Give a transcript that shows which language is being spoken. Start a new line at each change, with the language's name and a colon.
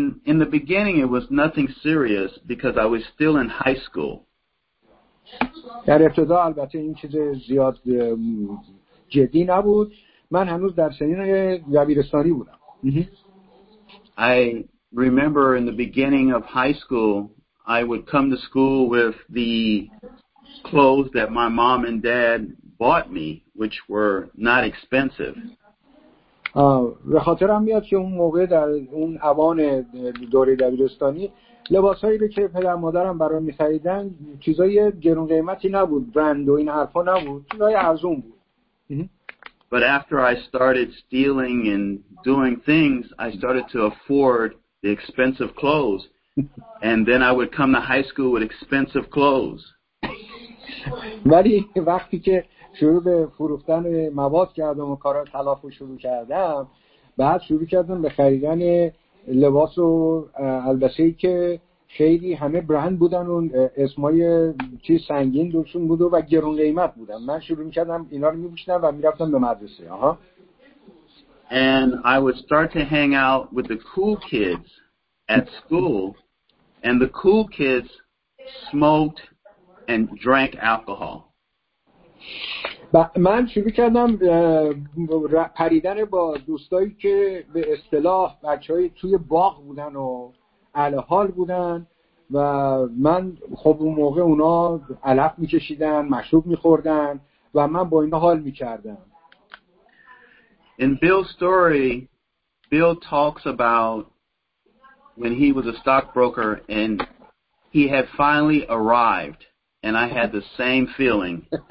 English: In the beginning it was nothing serious because I was still in high school.
Persian: در ابتدا البته این چیز زیاد جدی نبود. من هنوز در سنین دبیرستانی بودم.
English: I remember in the beginning of high school I would come to school with the clothes that my mom and dad bought me, which were not expensive.
Persian: به خاطرم میاد که اون موقع در اون اوان دوره دبیرستانی لباسایی که پدر مادرم برام می‌خریدن چیزای گران قیمتی نبود، برند و این حرفا نبود، چیزای ارزون بود.
English: But after I started stealing and doing things, I started to afford the expensive clothes. And then I would come to high school with expensive clothes.
Persian: ولی وقتی که شروع به فروختن مواد کردم و کارا تلاف و شروع کردم، بعد شروع کردم به خریدن لباس و البسه‌ای که خیلی همه برند بودن و اسمای چیز سنگین دوشون بود و گران قیمت بودن، من شروع می‌کردم اینا رو می‌پوشیدم و می‌رفتم به مدرسه.
English: And I would start to hang out with the cool kids at school, and the cool kids smoked and drank alcohol.
Persian: من شروع کردم پریدن با دوستایی که به اصطلاح بچه‌های توی باغ بودن و الهال بودن و من خب اون موقع اونا علف می‌کشیدن، مشروب می‌خوردن و من با اینا حال می‌کردم.
English: In Bill's story, Bill talks about when he was a stockbroker and he had finally arrived and I had the same feeling.